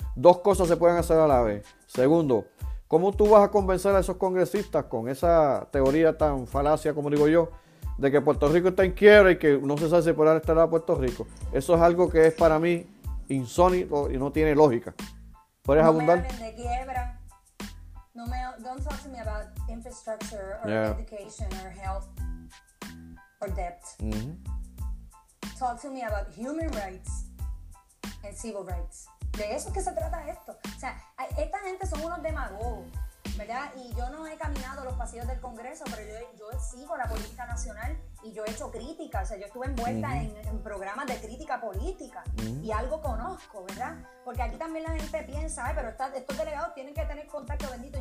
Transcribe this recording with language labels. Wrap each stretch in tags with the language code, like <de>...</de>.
<es>Dos cosas se pueden hacer a la vez. Segundo, ¿cómo tú vas a convencer a esos congresistas con esa teoría tan falacia, como digo yo, de que Puerto Rico está en quiebra y que no se sabe si podrá estar a Puerto Rico? Eso es algo que es para mí insólito y no tiene lógica. ¿Puedes abundar? No me hablen de quiebra.</es> <en>Don't talk to me about infrastructure or education or health or debt. Talk to me about human rights and civil rights.</en> <es>De eso es que se trata esto. O sea, esta gente son unos demagogos, ¿verdad? Y yo no he caminado los pasillos del Congreso, pero yo sigo la política nacional y yo he hecho crítica. O sea, yo estuve envuelta en programas de crítica política y algo conozco, ¿verdad? Porque aquí también la gente piensa, ay, pero estos delegados tienen que tener contacto, bendito.</es>